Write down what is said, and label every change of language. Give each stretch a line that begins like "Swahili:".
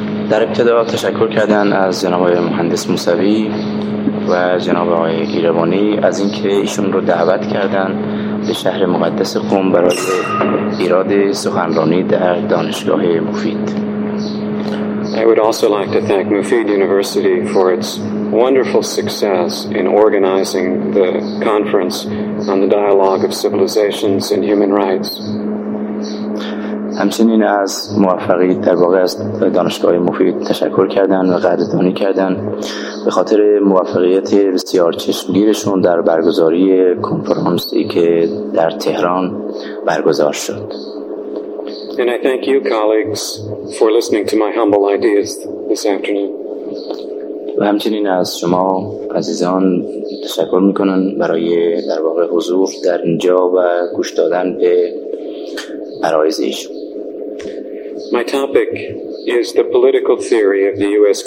Persian: در ابتدا تشکر کردن از جناب مهندس موسوی و جناب آقای ایروانی از اینکه ایشون رو دعوت کردن به شهر مقدس قم برای ایراد سخنرانی در دانشگاه مفید.
English: I would also like to thank Mufid University for its wonderful success in organizing the conference on the dialogue of civilizations and human rights.
Persian: همچنین از موفقیت در واقع از دانشگاه مفید تشکر کردن و قدردانی کردن به خاطر موفقیت بسیار چشمگیرشون در برگزاری کنفرانسی که در تهران برگزار شد.
English: And I thank you colleagues for listening to my humble ideas this afternoon.
Persian: و همچنین از شما عزیزان تشکر میکنن برای در واقع حضور در اینجا و گوش دادن به عرایزشون.
English: My topic is the political theory of the U.S.